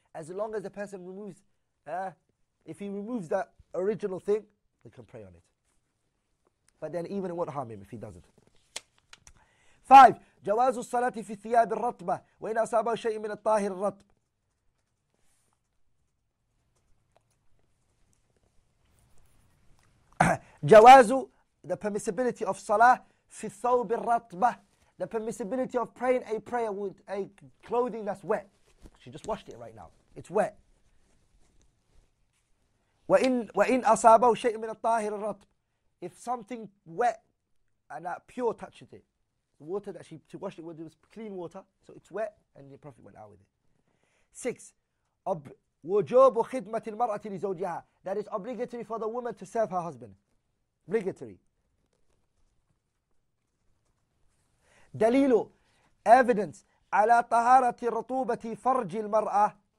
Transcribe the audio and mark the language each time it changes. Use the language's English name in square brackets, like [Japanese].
[English] As long as the person removes, if he removes the original thing, they can pray on it. But then even it won't harm him if he doesn't. [Arabic] Five, جواز الصلاة في الثياب الرطبة وإن أصابه شيء من الطاهر الرطب. [English] جواز, the permissibility of [Arabic] صلاة في الثوب الرطبة, [English] the permissibility of praying a prayer with a clothing that's wet. She just washed it right now. It's wet. [Arabic] وإن أصابه شيء من الطاهر الرطب. [English] If something wet and that pure touches it, the water that she washed it with, it was clean water, so it's wet, and the Prophet went out with it. [Arabic] Six, وجوب خدمة المرأة لزوجها. [English] That is obligatory for the woman to serve her husband. Obligatory. [Arabic] دليل, evidence على طهارة رطوبة فرج المرأة.